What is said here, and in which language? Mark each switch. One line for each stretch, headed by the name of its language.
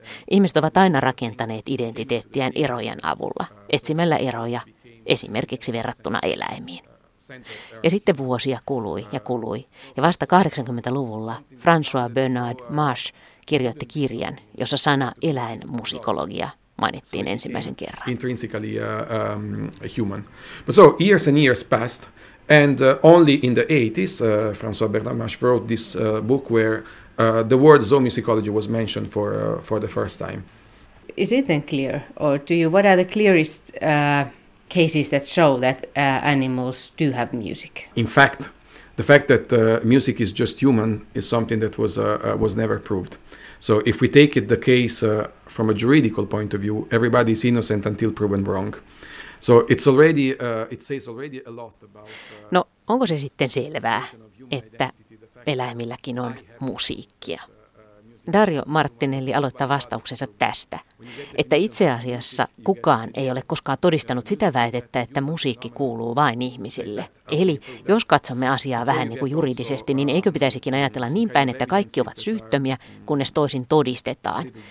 Finnish: Ihmiset ovat aina rakentaneet identiteettiään erojen avulla, etsimällä eroja, esimerkiksi verrattuna eläimiin. Ja sitten vuosia kului ja kului, ja vasta 80-luvulla François Bernard Marsh kirjoitti kirjan, jossa sana eläinmusikologia mainittiin ensimmäisen kerran.
English: Intrinsically human. But so years and years passed, and only in the 80s, François Bernard Marsh wrote this book where the word zoomusicology was mentioned for the first time. Is it then clear, or do you, what are the clearest cases that show that animals do have music? In fact, the fact that music is just human is something that was never proved. So if we take it the case from a juridical point of view, everybody is innocent until proven wrong. So it's already it says already a lot about.
Finnish: No, onko se sitten selvää, että eläimilläkin on musiikkia? Dario Martinelli aloittaa vastauksensa tästä, että itse asiassa kukaan ei ole koskaan todistanut sitä väitettä, että musiikki kuuluu vain ihmisille. Eli jos katsomme asiaa vähän niin kuin juridisesti, niin eikö pitäisikin ajatella niin päin, että kaikki ovat syyttömiä, kunnes toisin todistetaan.